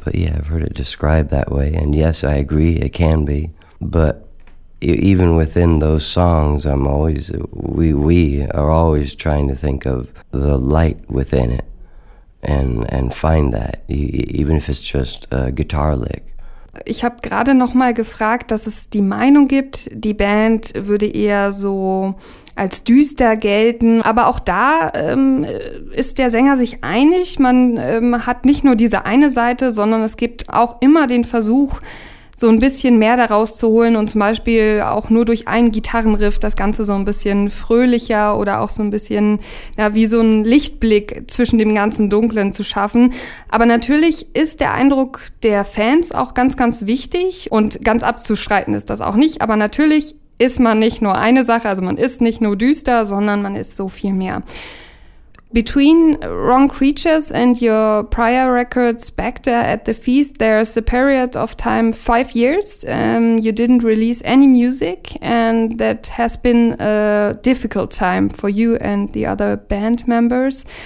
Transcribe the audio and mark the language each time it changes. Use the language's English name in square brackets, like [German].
[English] But yeah, I've heard it described that way, and yes, I agree, it can be, but even within those songs, we are always trying to think of the light within it and find that, even if it's just a guitar lick. [German] Ich habe gerade noch mal gefragt, dass es die Meinung gibt, die Band würde eher so als düster gelten. Aber auch da ist der Sänger sich einig. Man hat nicht nur diese eine Seite, sondern es gibt auch immer den Versuch, so ein bisschen mehr daraus zu holen und zum Beispiel auch nur durch einen Gitarrenriff das Ganze so ein bisschen fröhlicher oder auch so ein bisschen, ja, wie so ein Lichtblick zwischen dem ganzen Dunklen zu schaffen. Aber natürlich ist der Eindruck der Fans auch ganz, ganz wichtig, und ganz abzustreiten ist das auch nicht. Aber natürlich ist man nicht nur eine Sache, also man ist nicht nur düster, sondern man ist so viel mehr. [English] Between Wrong Creatures and your prior records, Back There at the Feast, there's a period of time, 5 years, you didn't release any music, and that has been a difficult time for you and the other band members.